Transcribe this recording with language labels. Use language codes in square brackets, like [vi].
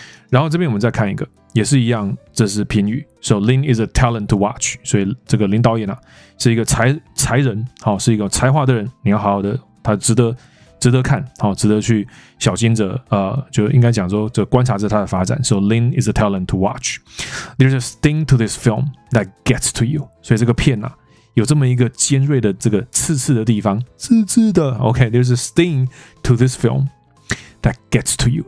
[zh] 然后这边我们再看一个也是一样，这是评语。 [en] So Lin is a talent to watch。 [zh] 所以这个林导演、啊、是一个 才人、哦、是一个才华的人，你要好好的，他值得看，好，值得去小心着，就应该讲说，就观察着它的发展。 [en] So Lin is a talent to watch. There's a sting to this film that gets to you. [zh] 所以这个片啊，有这么一个尖锐的这个刺刺的地方，刺刺的。 [en] OK, there's a sting to this film that gets to you.